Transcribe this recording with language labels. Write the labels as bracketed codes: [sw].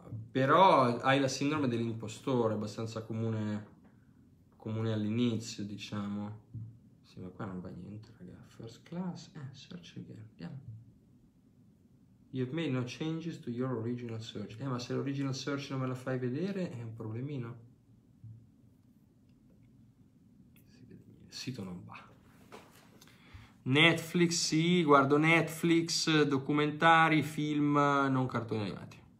[it] Però hai la sindrome dell'impostore, abbastanza comune all'inizio, diciamo. Sì, ma qua non va niente, raga. [en] First class, search again, [it] andiamo. [en] You've made no changes to your original search. [it] Ma se l' [en] original search [it] non me la fai vedere, è un problemino. Sito non va. Netflix, sì, guardo Netflix, documentari, film, non cartoni animati.